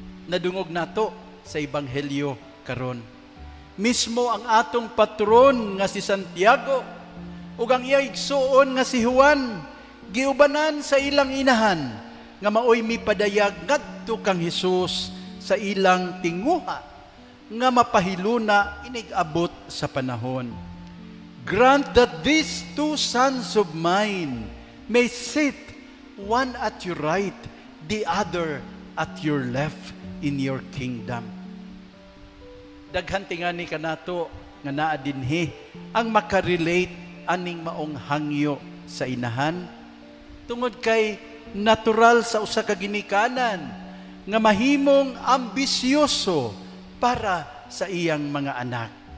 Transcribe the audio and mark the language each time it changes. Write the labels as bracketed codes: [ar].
[ceb] Nadungog nato sa Ebanghelyo karon. Mismo ang atong patron nga si Santiago ug ang iyang igsuon nga si Juan giubanan sa ilang inahan nga maoy mipadayag ngadto kang Jesus sa ilang tinguha nga mapahiluna inig-abot sa panahon. [en] Grant that these two sons of mine may sit one at your right, the other at your left in your kingdom. [ceb] Daghantingani ka na to, nga naadinhi, ang makarelate aning maong hangyo sa inahan. Tungod kay natural sa usa ka ginikanan nga mahimong ambisyoso para sa iyang mga anak.